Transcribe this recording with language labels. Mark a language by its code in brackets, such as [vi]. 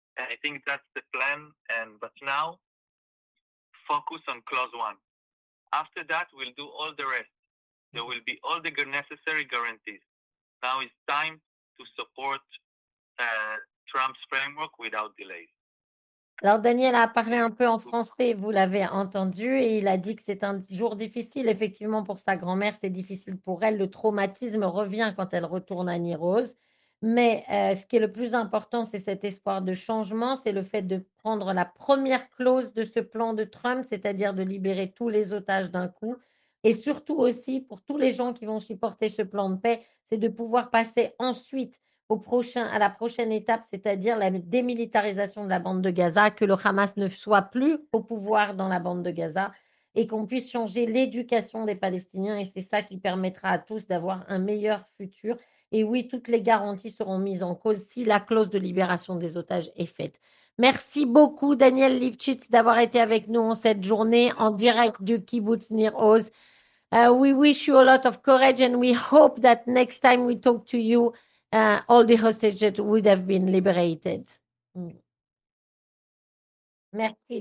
[en] And I think that's the plan. But now, focus on clause one. After that, we'll do all the rest. There will be all the necessary guarantees. Now it's time to support Trump's framework without delays. [fr] Alors, Daniel a parlé un peu en français, vous l'avez entendu, et il a dit que c'est un jour difficile, effectivement, pour sa grand-mère, c'est difficile pour elle, le traumatisme revient quand elle retourne à Nyrose, mais ce qui est le plus important, c'est cet espoir de changement, c'est le fait de prendre la première clause de ce plan de Trump, c'est-à-dire de libérer tous les otages d'un coup, et surtout aussi, pour tous les gens qui vont supporter ce plan de paix, c'est de pouvoir passer ensuite à la prochaine étape, c'est-à-dire la démilitarisation de la bande de Gaza, que le Hamas ne soit plus au pouvoir dans la bande de Gaza et qu'on puisse changer l'éducation des Palestiniens. Et c'est ça qui permettra à tous d'avoir un meilleur futur. Et oui, toutes les garanties seront mises en cause si la clause de libération des otages est faite. Merci beaucoup, Daniel Lifchitz, d'avoir été avec nous en cette journée en direct du Kibbutz Nir Oz. [en] We wish you a lot of courage and we hope that next time we talk to you, all the hostages would have been liberated. Merci